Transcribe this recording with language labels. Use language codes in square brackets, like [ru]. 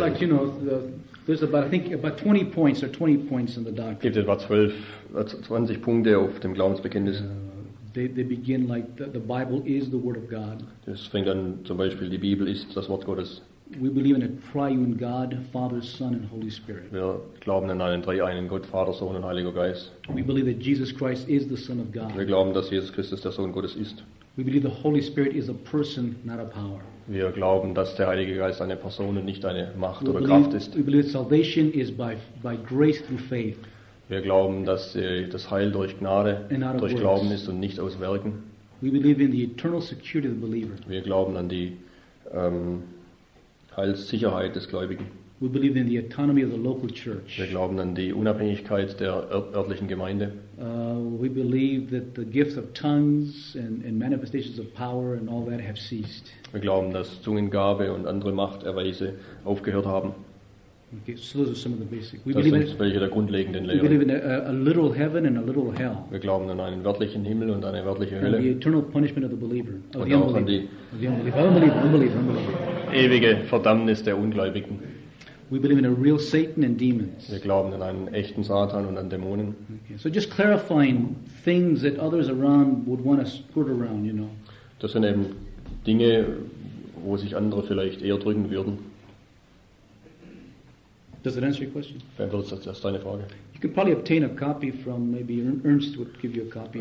[en] Like, you know, there's about, I think, about 20 points or 20 points in the doctrine. [de] Gibt etwa 20 Punkte auf dem Glaubensbekenntnis. [en] They begin like the Bible is the Word of God. [de] Das fängt an, zum Beispiel, die Bibel ist das Wort Gottes. [en] We believe in a triune God, Father, Son, and Holy Spirit. [de] Wir glauben an einen dreieinen Gott, Vater, Sohn und Heiliger Geist. [en] We believe that Jesus Christ is the Son of God. [de] Wir glauben, dass Jesus Christus der Sohn Gottes ist. [en] We believe the Holy Spirit is a person, not a power. [de] Wir glauben, dass der Heilige Geist eine Person und nicht eine Macht oder Kraft ist. [en] We believe salvation is by grace through faith. [de] Wir glauben, dass das Heil durch Gnade, durch Glauben ist und nicht aus Werken. [en] We believe in the eternal security of the believer. [de] Wir glauben an die Heilssicherheit des Gläubigen. [en] We believe in the autonomy of the local church. [de] Wir glauben an die Unabhängigkeit der örtlichen Gemeinde. [en] We believe that the gifts of tongues and manifestations of power and all that have ceased. [de] Wir glauben, dass Zungengabe und andere Machterweise aufgehört haben. [en] Okay, so those are some of the basic. We believe in [de] welche der grundlegenden Lehren. [en] We believe in a literal heaven and a literal hell. [de] Wir glauben an einen wörtlichen Himmel und eine wörtliche Hölle. [en] And the eternal punishment of the believer. [de] Ewige Verdammnis der Ungläubigen. [en] We believe in a real Satan and demons. [de] Wir glauben an einen echten Satan und an Dämonen. [en] Okay. So just clarifying things that others around would want to put around, you know. [de] Das sind eben Dinge, wo sich andere vielleicht eher drücken würden. [en] Does that answer your question? [de] Beantwortet das deine Frage? [en] You could probably obtain a copy from maybe Ernst would give you a copy.